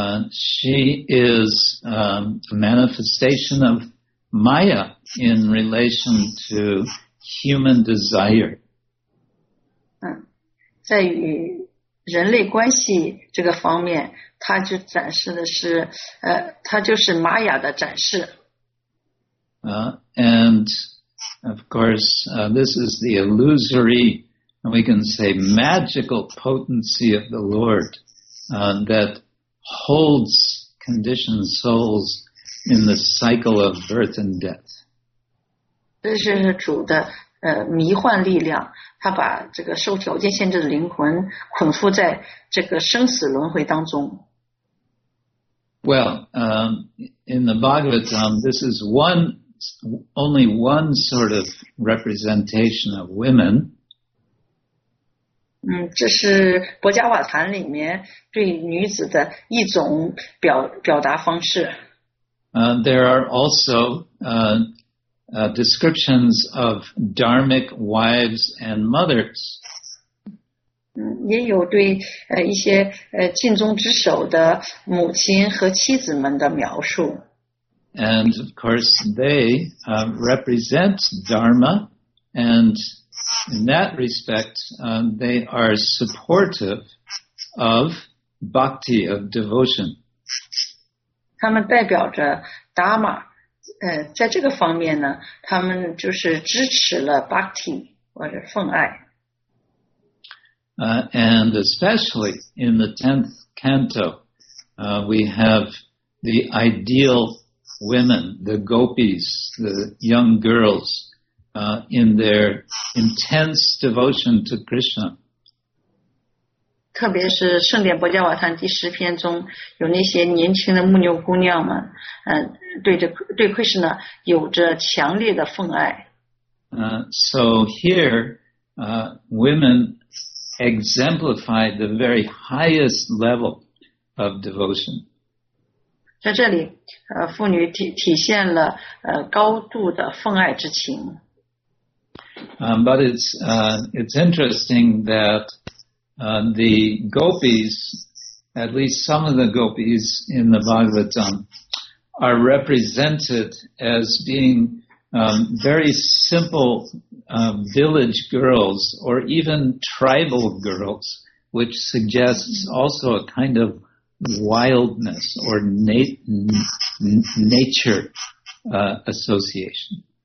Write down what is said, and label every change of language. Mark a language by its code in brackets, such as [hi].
[en] She is a manifestation of Maya in relation to human desire. [zh] 在与人类关系这个方面，它就展示的是它就是玛雅的展示。 [en] And of course, this is the illusory, and we can say magical potency of the Lord that holds conditioned souls in the cycle of birth and death. [zh] 这是主的迷幻力量，他把这个受条件限制的灵魂捆缚在这个生死轮回当中。 [en] Well, in the Bhagavatam, this is only one sort of representation of women. [zh] 这是博伽瓦坛里面对女子的一种表达方式。 [en] There are also descriptions of dharmic wives and mothers. [zh] 也有对一些尽忠职守的母亲和妻子们的描述。 [en] And of course, they represent dharma, and in that respect, they are supportive of bhakti, of devotion. [zh] 他们代表着达玛，在这个方面呢，他们就是支持了 bhakti 或者奉爱。 [en] And especially in the 10th canto, we have the ideal women, the gopis, the young girls, in their intense devotion to Krishna. [zh] 特别是圣典博伽瓦坛第十篇中有那些年轻的牧牛姑娘们，对 Krishna 有着强烈的奉爱。 [en] So here, women exemplify the very highest level of devotion. [zh] 在这里，妇女体现了高度的奉爱之情。 [en] But it's interesting that the gopis, at least some of the gopis in the Bhagavatam, are represented as being very simple village girls or even tribal girls, which suggests also a kind of wildness or nature association.